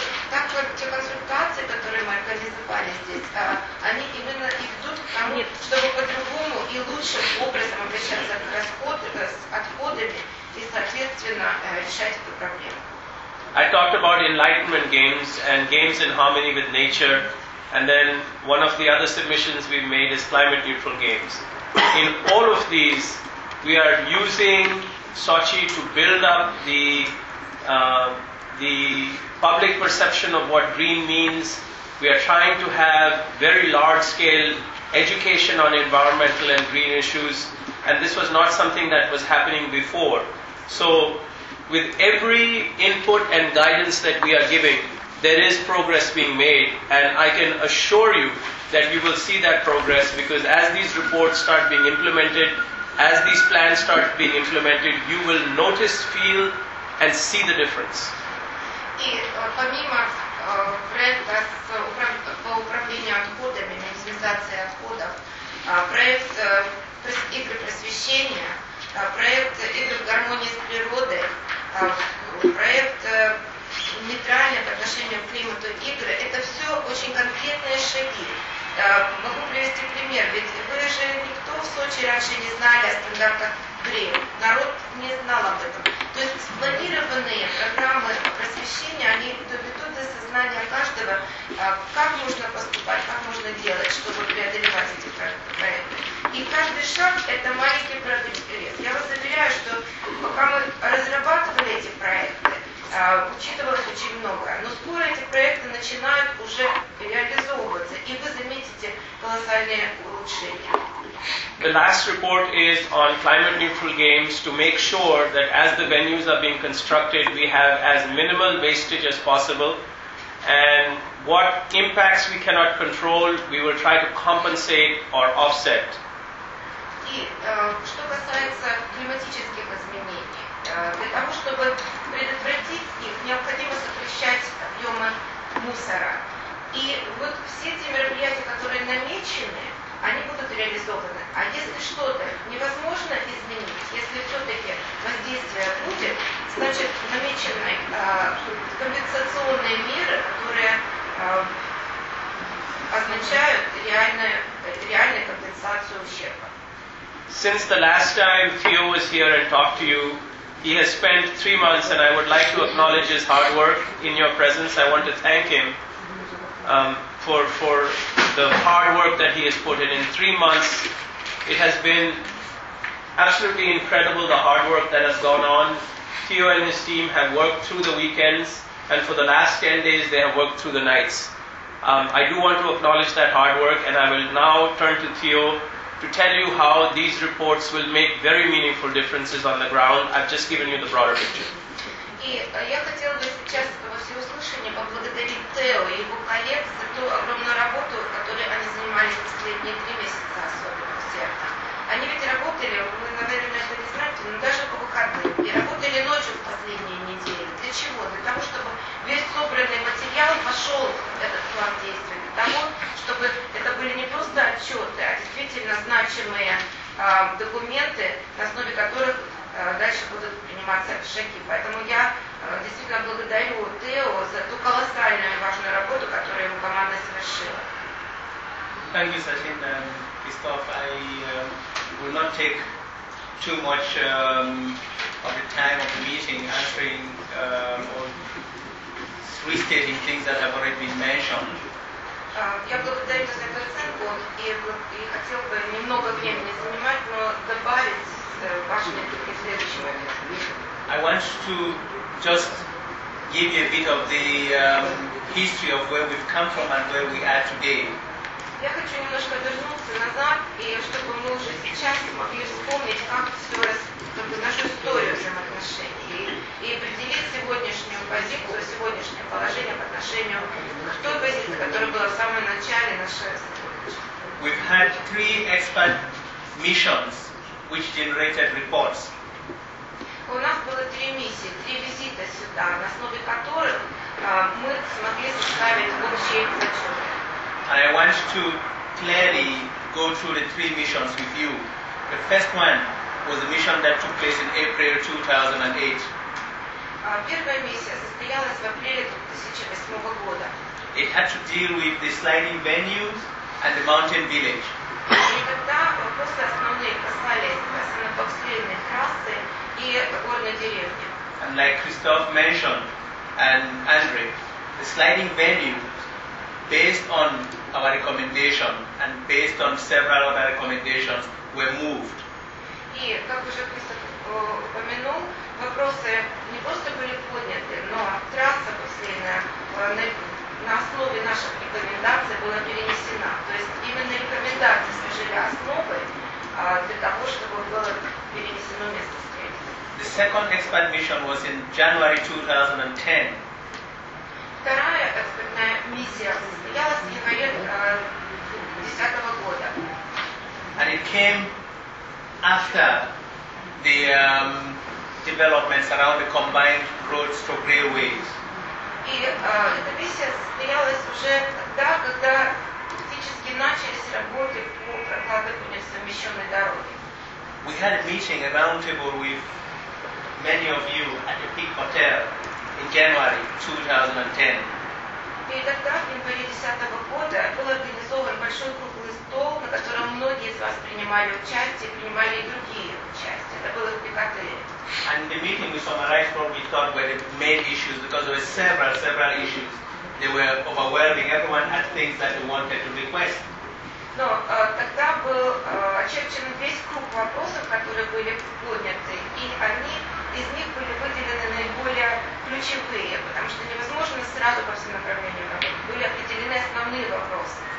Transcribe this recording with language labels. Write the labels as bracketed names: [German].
[Russian] Так вот, те консультации, которые мы организовали здесь, они именно и ведут к тому, чтобы по-другому и лучшим образом обращаться к расходам, с отходами и, соответственно, решать эту проблему. [English] I talked about enlightenment games and games in harmony with nature, and then one of the other submissions we've made is climate neutral games. In all of these, we are using Sochi to build up the public perception of what green means. We are trying to have very large scale education on environmental and green issues, and this was not something that was happening before. So with every input and guidance that we are giving, there is progress being made, and I can assure you that you will see that progress, because as these reports start being implemented, as these plans start being implemented, you will notice, feel, and see the difference. [Russian] И помимо проекта по управлению отходами, минимизации отходов, проект игры просвещения, проект игры в гармонии с природой, проект нейтральный по отношению к климату игры, это все очень конкретные шаги. Могу привести пример. например, ведь вы же никто в Сочи раньше не знали о стандартах Брейля. Народ не знал об этом. То есть спланированные программы просвещения, они доведут до сознания каждого, как нужно поступать, как нужно делать, чтобы преодолевать эти проблемы. И каждый шаг – это маленький прогресс. Я вас заверяю, что пока мы разрабатывали эти проекты, учитывалось очень многое. Но скоро эти проекты начинают уже реализовываться, и вы заметите колоссальные улучшения. [English] The last report is on climate neutral games to make sure that as the venues are being constructed, we have as minimal wastage as possible. And what impacts we cannot control, we will try to compensate or offset. [Russian] И что касается климатических изменений, для того, чтобы предотвратить их, необходимо сокращать объемы мусора. И вот все те мероприятия, которые намечены, они будут реализованы. А если что-то невозможно изменить, если все-таки воздействие будет, значит, намечены компенсационные меры, которые означают реальную компенсацию ущерба. [English] Since the last time Theo was here and talked to you, he has spent 3 months, and I would like to acknowledge his hard work in your presence. I want to thank him for the hard work that he has put in. In 3 months, it has been absolutely incredible, the hard work that has gone on. Theo and his team have worked through the weekends, and for the last 10 days, they have worked through the nights. I do want to acknowledge that hard work, and I will now turn to Theo to tell you how these reports will make very meaningful differences on the ground. I've just given you the broader picture. [Russian] И я хотела бы сейчас во всеуслышание поблагодарить Тео и его коллег за ту огромную работу, которой они занимались последние 3 месяца, особенно все. Они ведь работали, вы, наверное, это не знаете, но даже по выходным. И работали ночью в последние недели. Для чего? Для того, чтобы весь собранный материал вошел в этот план действий. Для того, чтобы это были не просто отчеты, а действительно значимые документы, на основе которых дальше будут приниматься шаги. Поэтому я действительно благодарю Тео за ту колоссальную важную работу, которую его команда совершила. [English] Thank you, Sachin and Christoph. I will not take too much of the time of the meeting answering or restating things that have already been mentioned. [Russian] Я благодарю за эту оценку и хотел бы немного времени занимать, но добавить вашими следующими моментами. [English] I want to just give you a bit of the history of where we've come from and where we are today. [Russian] Я хочу немножко вернуться назад, и чтобы мы уже сейчас могли вспомнить, как все, как бы нашу историю взаимоотношений, и определить сегодняшнюю позицию, сегодняшнее положение по отношению к той позиции, которая была в самом начале нашего сотрудничества. [English] We've had 3 expert missions, which generated reports. [Russian] У нас было 3 миссии, 3 визита сюда, на основе которых мы смогли составить общие отчеты. [English] And I want to clearly go through the 3 missions with you. The first one was a mission that took place in April 2008. [Russian] Первая миссия состоялась в апреле 2008 года. [English] It had to deal with the sliding venues and the mountain village. [Russian] И тогда вопросы основные касались основно-бобслейной трассы и горной деревни. [English] And like Christoph mentioned, and Andre, the sliding venue, based on our recommendation and based on several other recommendations, were moved. [Russian] И, как уже Кристоф упомянул, вопросы не просто были подняты, но трасса последняя на основе наших рекомендаций была перенесена. То есть именно рекомендации служили основой для того, чтобы было перенесено место встречи. [English] The second expert mission was in January 2010. [Russian] Вторая экспертная миссия состоялась в январе 2010 года. [English] And it came after the developments around the combined roads to railways. [Russian] И эта миссия состоялась уже тогда, когда фактически начались работы по прокладыванию совмещенной дороги. [English] We had a meeting, a roundtable with many of you at the Peak Hotel. In January 2010. [Russian] И тогда, в январе 2010 года, был организован большой круглый стол, на котором принимали участие, принимали и другие участия. Это было в Пикадилли. [English] And the meeting we summarized probably thought were the main issues because there were several issues. They were overwhelming. Everyone had things that they wanted to request. [Russian] Но тогда был очерчен весь круг вопросов, которые были подняты, и они из них были выделены наиболее ключевые, потому что невозможно сразу по всем направлениям работать. Были определены основные вопросы.